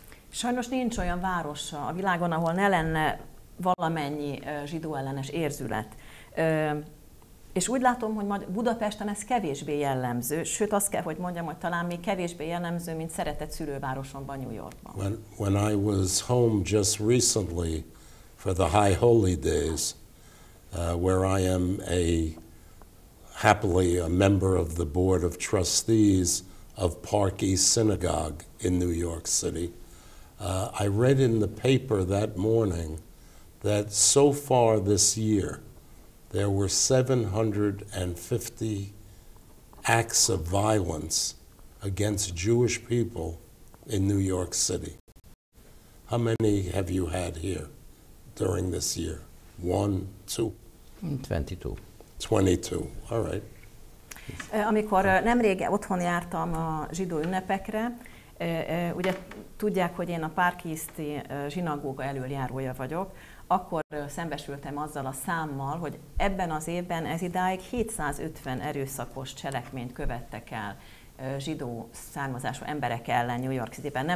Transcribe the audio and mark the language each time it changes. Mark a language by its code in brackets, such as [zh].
[hu] Sajnos nincs olyan város a világon, ahol ne lenne valamennyi zsidó ellenes érzület. És úgy látom, hogy Budapesten ez kevésbé jellemző, sőt azt kell, hogy mondjam, hogy talán még kevésbé jellemző, mint szeretett szülővárosomban, New Yorkban. [en] When I was home just recently for the High Holy Days, where I am a happily a member of the Board of Trustees of Park East Synagogue in New York City, I read in the paper that morning that so far this year there were 750 acts of violence against Jewish people in New York City. How many have you had here during this year? One, two? 22. 22. All right. [hu] Amikor nemrég otthon jártam a zsidó ünnepekre, ugye tudják, hogy én a Park East-i zsinagóga elöljárója vagyok, akkor szembesültem azzal a számmal, hogy ebben az évben ez idáig 750 erőszakos cselekményt követtek el zsidó származású emberek ellen New York City-ben.